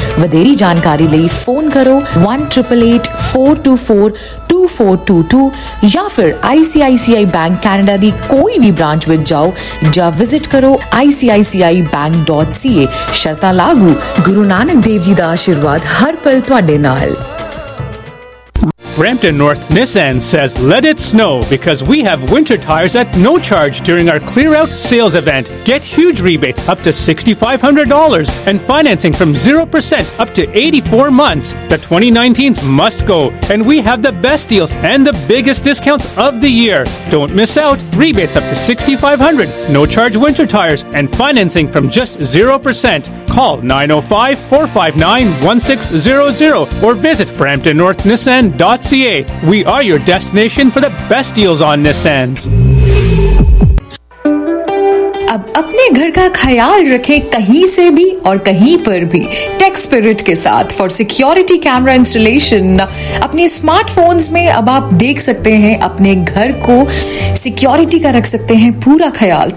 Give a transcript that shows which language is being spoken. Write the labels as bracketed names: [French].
[Punjabi] ਵਧੇਰੀ ਜਾਣਕਾਰੀ ਲਈ ਫੋਨ ਕਰੋ 1-888-424-2422 ਜਾਂ ਫਿਰ ICICI Bank Canada ਦੀ ਕੋਈ ਵੀ ਬ੍ਰਾਂਚ ਵਿੱਚ ਜਾਓ ਜਾਂ ਵਿਜ਼ਿਟ ਕਰੋ icicibank.ca। ਸ਼ਰਤਾਂ ਲਾਗੂ। ਗੁਰੂ ਨਾਨਕ ਦੇਵ ਜੀ ਦਾ ਆਸ਼ੀਰਵਾਦ ਹਰ ਪਲ ਤੁਹਾਡੇ ਨਾਲ। [English] Brampton North Nissan says let it snow because we have winter tires at no charge during our clear out sales event. Get huge rebates up to $6,500 and financing from 0% up to 84 months. The 2019s must go and we have the best deals and the biggest discounts of the year. Don't miss out. Rebates up to $6,500, no charge winter tires and financing from just 0%. Call 905-459-1600 or visit BramptonNorthNissan.com. We are your destination for the best deals on Nissans. [Hindi] अब अपने घर का ख्याल रखें कहीं से भी और कहीं पर भी टेक स्पिरिट के साथ फॉर सिक्योरिटी कैमरा इंस्टॉलेशन। अपने स्मार्टफोन्स में अब आप देख सकते हैं अपने घर को सिक्योरिटी का रख सकते हैं पूरा ख्याल।